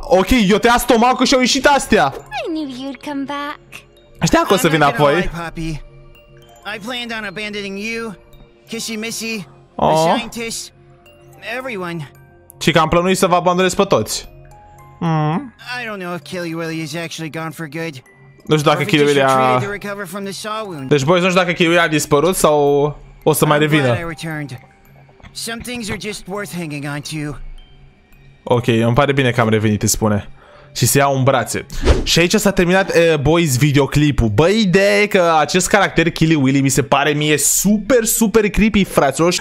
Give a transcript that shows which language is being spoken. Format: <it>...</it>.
<ro>Ok, eu te-a stomacul și au ieșit astea.</ro> <en>I knew you'd come back.</en> <ro>Știam că o să vin apoi.</ro> <en>I planned on abandoning you, Kissy Missy, the scientist, everyone.</en> <ro>Și că am plănuit să vă abandonez pe toți.</ro> <en>I don't know if Killy Willy is actually gone for good.</en> <ro>Nu știu dacă Killy Willy a... Deci, boys, nu știu dacă Killy Willy a dispărut sau o să mai revină.</ro> <en>Some things are just worth hanging on to.</en> <ro>Ok, îmi pare bine că am revenit, îi spune. Și se iau în brațe. Și aici s-a terminat, boys, videoclipul. Bă, ideea e că acest caracter, Killy Willy, mi se pare mie super, super creepy, frațoși.</ro>